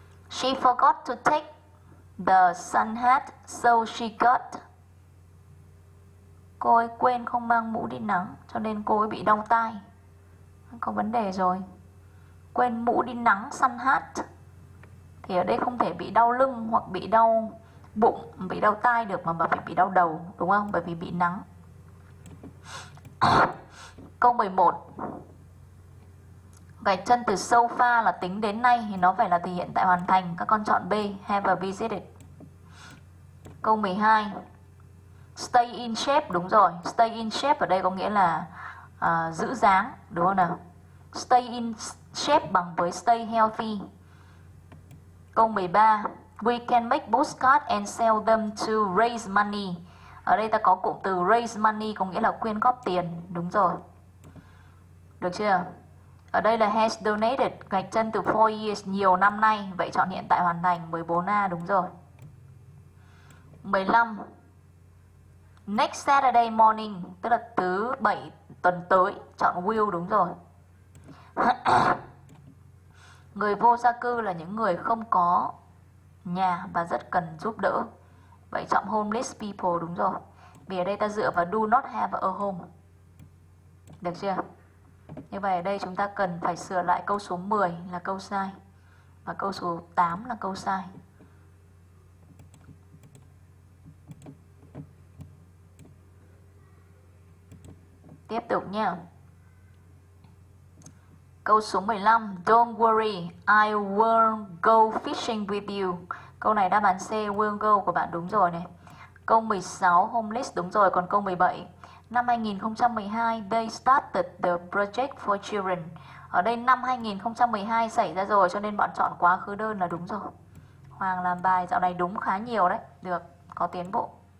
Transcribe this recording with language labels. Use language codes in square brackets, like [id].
[en] She forgot to take the sun hat, so she got. [vi] Cô ấy quên không mang mũ đi nắng, cho nên cô ấy bị đau tai. Có vấn đề rồi. Quên mũ đi nắng, sun hat. Thì ở đây không thể bị đau lưng hoặc bị đau bụng, bị đau tai được, mà phải bị đau đầu, đúng không? Bởi vì bị nắng. Câu 11. Gạch chân từ sofa là tính đến nay thì nó phải là từ hiện tại hoàn thành. Các con chọn B, have a visited. Câu 12. Stay in shape, đúng rồi. Stay in shape ở đây có nghĩa là giữ dáng, đúng không nào? Stay in shape bằng với stay healthy. Câu 13. [en] We can make postcard and sell them to raise money. [vi] Ở đây ta có cụm từ raise money có nghĩa là quyên góp tiền, đúng rồi. Được chưa? Ở đây là has donated, gạch chân từ 4 years, nhiều năm nay, vậy chọn hiện tại hoàn thành 14A, đúng rồi. 15. [en] Next Saturday morning, [vi] tức là thứ 7 tuần tới, chọn will, đúng rồi. Người vô gia cư là những người không có nhà và rất cần giúp đỡ. Vậy chọn homeless people, đúng rồi. Vì ở đây ta dựa vào [en] do not have a home. [vi] Được chưa? Như vậy ở đây chúng ta cần phải sửa lại câu số 10 là câu sai và câu số 8 là câu sai. Tiếp tục nha. Câu số 15, [en] don't worry, I won't go fishing with you. [vi] Câu này đáp án C, won't go của bạn đúng rồi này. Câu 16, homeless đúng rồi, còn câu 17. Năm 2012, [en] they started the project for children. [vi] Ở đây năm 2012 xảy ra rồi, cho nên bạn chọn quá khứ đơn là đúng rồi. Hoàng làm bài dạo này đúng khá nhiều đấy. Được, có tiến bộ.